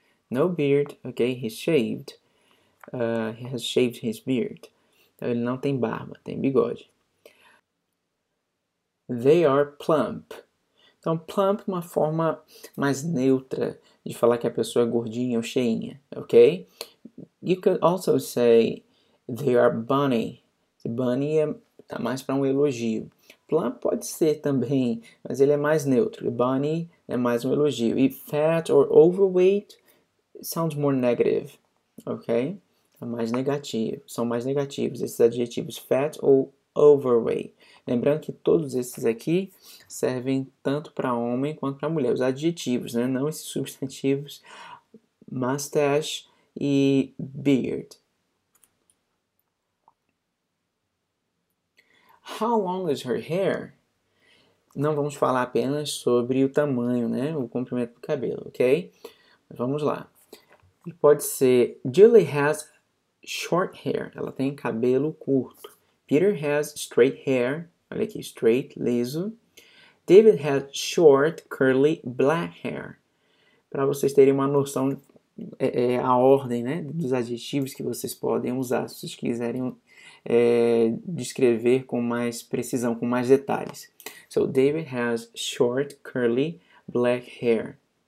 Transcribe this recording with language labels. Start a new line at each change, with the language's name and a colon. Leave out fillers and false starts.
English: No beard, ok? He's shaved. He has shaved his beard.
Portuguese: Então, ele não tem barba, tem bigode.
English: They are plump.
Portuguese: Então, plump é uma forma mais neutra de falar que a pessoa é gordinha ou cheinha, ok?
English: You could also say they are bunny.
Portuguese: Bunny tá mais para um elogio. Plump pode ser também, mas ele é mais neutro. Bunny é mais um elogio. E
English: fat or overweight sounds more negative, ok?
Portuguese: Mais negativo, são mais negativos esses adjetivos, fat ou overweight. Lembrando que todos esses aqui servem tanto para homem quanto para mulher, os adjetivos, né? Não esses substantivos, mustache e beard.
English: How long is her hair?
Portuguese: Não vamos falar apenas sobre o tamanho, né? O comprimento do cabelo, ok? Mas vamos lá. E pode ser,
English: Julie has short hair,
Portuguese: ela tem cabelo curto.
English: Peter has straight hair,
Portuguese: olha aqui,
English: straight,
Portuguese: liso.
English: David has short, curly, black hair.
Portuguese: Para vocês terem uma noção, a ordem, né, dos adjetivos que vocês podem usar, se vocês quiserem descrever com mais precisão, com mais detalhes.
English: So, David has short, curly, black hair.